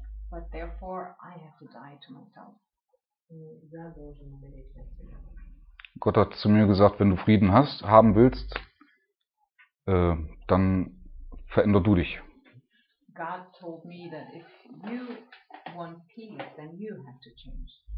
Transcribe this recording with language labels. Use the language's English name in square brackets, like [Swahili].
[English] But therefore I have to die to myself. [German] Gott hat zu mir gesagt, wenn du Frieden hast, haben willst, dann veränder du dich. [English] God told me that if you want peace, then you have to change.